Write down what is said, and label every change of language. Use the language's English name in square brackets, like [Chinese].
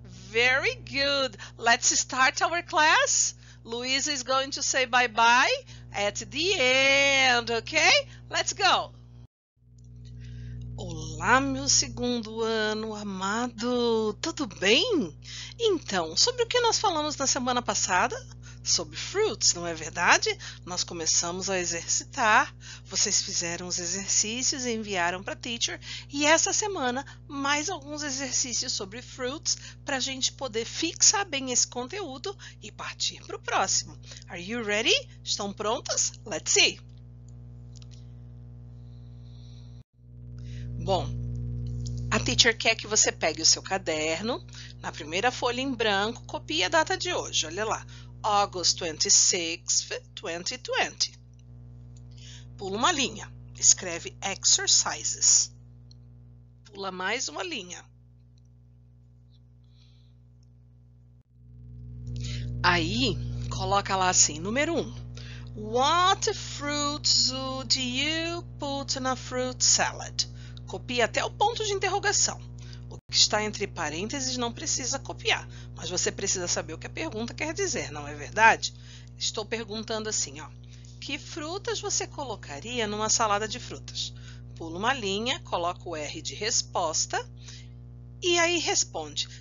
[English] Very good. Let's start our class. Luisa is going to say bye-bye at the end, okay? Let's go. [Portuguese] Olá, meu segundo ano amado, tudo bem? Então, sobre o que nós falamos na semana passada? Sobre fruits, não é verdade? Nós começamos a exercitar, vocês fizeram os exercícios e enviaram para a teacher, e essa semana mais alguns exercícios sobre fruits para a gente poder fixar bem esse conteúdo e partir para o próximo. [English] Are you ready? [Portuguese] Estão prontas? [English] Let's see! [Portuguese] Bom, a teacher quer que você pegue o seu caderno, na primeira folha em branco, copie a data de hoje, olha lá, [English] August 26th, 2020. [Portuguese] Pula uma linha, escreve exercises. Pula mais uma linha. Aí, coloca lá assim, número 1. [English] What fruits would you put in a fruit salad? [Portuguese] Copie até o ponto de interrogação. O que está entre parênteses não precisa copiar, mas você precisa saber o que a pergunta quer dizer, não é verdade? Estou perguntando assim, ó. Que frutas você colocaria numa salada de frutas? Pula uma linha, coloca o R de resposta e aí responde.